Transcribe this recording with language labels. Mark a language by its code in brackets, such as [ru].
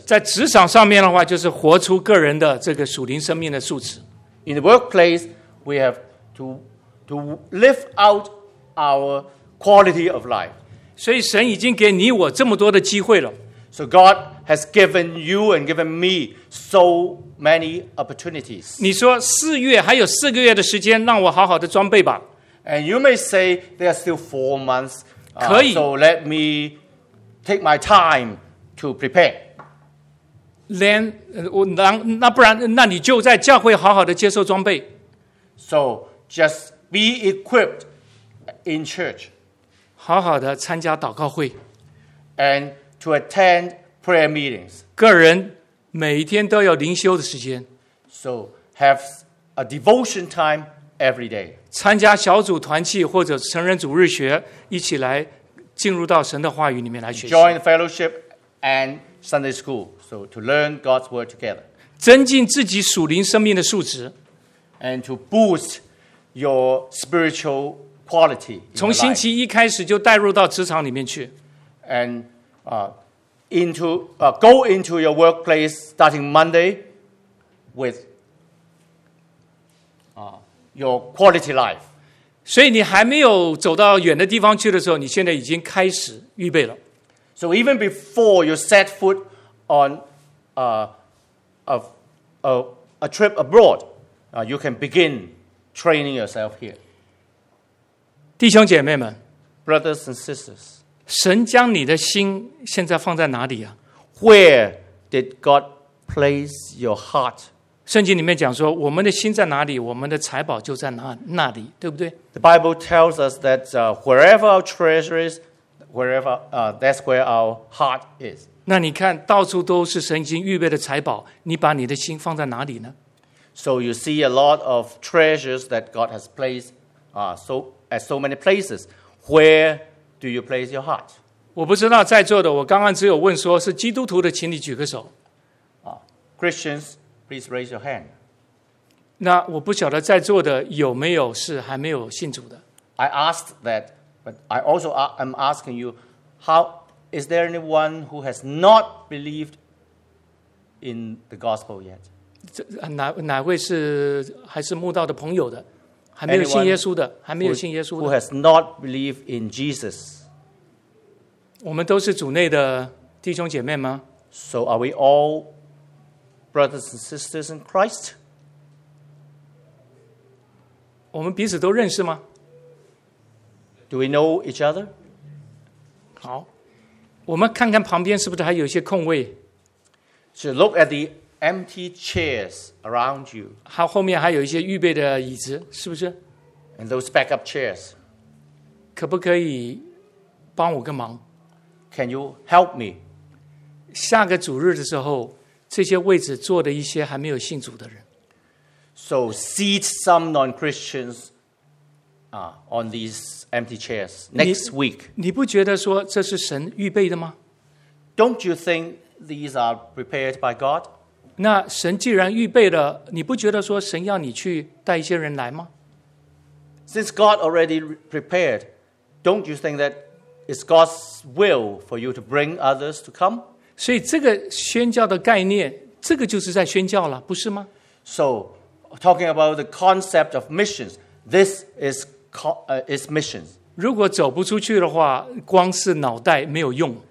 [zh] 在职场上面的话，就是活出个人的这个属灵生命的素质。 [en] In the workplace, we have to live out our quality of life. [zh] 所以神已经给你我这么多的机会了。 [en] So God has given you and given me so many opportunities. [zh] 你说四月还有四个月的时间，让我好好的装备吧。 [en] And you may say there are still 4 months. [zh] 可以。 [en] So let me take my time to prepare. [zh] Then, 那不然，那你就在教会好好的接受装备。 [en] So just be equipped in church. [zh] 好好的参加祷告会。 [en] And to attend prayer meetings. [zh] 个人每一天都有灵修的时间。 [en] So have a devotion time every day. [zh] 参加小组团契或者成人主日学，一起来进入到神的话语里面来学习。 [en] Join fellowship and Sunday school. So to learn God's word together. [zh] 增进自己属灵生命的素质。 [en] And to boost your spiritual quality. [zh] 从星期一开始就带入到职场里面去。 [en] And go into your workplace starting Monday with your quality life. [zh] 所以你还没有走到远的地方去的时候，你现在已经开始预备了。 [en] So even before you set foot on a trip abroad, you can begin training yourself here. [zh] 弟兄姐妹们 [en] ，brothers and sisters. [zh] 神将你的心现在放在哪里啊 [en] ？Where did God place your heart? [zh] 圣经里面讲说，我们的心在哪里，我们的财宝就在那里，对不对 [en] ？The Bible tells us that wherever our treasure is, that's where our heart is. [zh] 那你看到处都是神已经预备的财宝，你把你的心放在哪里呢 [en] ？So you see a lot of treasures that God has placed, at so many places. Where do you place your heart? [zh] 我不知道在座的，我刚刚只有问说是基督徒的，请你举个手。 [en] Christians, please raise your hand. [zh] 那我不晓得在座的有没有是还没有信主的。 [en] I asked that, but I also am asking you, how is there anyone who has not believed in the gospel yet? [zh] 哪位是还是慕道的朋友的，还没有信耶稣的，还没有信耶稣的。 [en] Who has not believed in Jesus? [zh] 我们都是主内的弟兄姐妹吗 [en] ？So are we all brothers and sisters in Christ？ [zh] 我们彼此都认识吗 [en] ？Do we know each other？ [zh] 好，我们看看旁边是不是还有一些空位 [en] ？So look at the empty chairs around you。 [zh] 还后面还有一些预备的椅子，是不是 [en] ？And those backup chairs。 [zh] 可不可以帮我个忙？ [en] Can you help me? [zh] 下个主日的时候，这些位置坐的一些还没有信主的人。 [en] So seat some non-Christians, on these empty chairs next week. [zh] 你不觉得说这是神预备的吗 [en] ？Don't you think these are prepared by God? [zh] 那神既然预备了，你不觉得说神要你去带一些人来吗 [en] ？Since God already prepared, don't you think that? It's God's will for you to bring others to come. [zh] 所以这个宣教的概念，这个就是在宣教了，不是吗 [en] ？So, talking about the concept of missions, this is missions. [zh] 如果走不出去的话，光是脑袋没有用。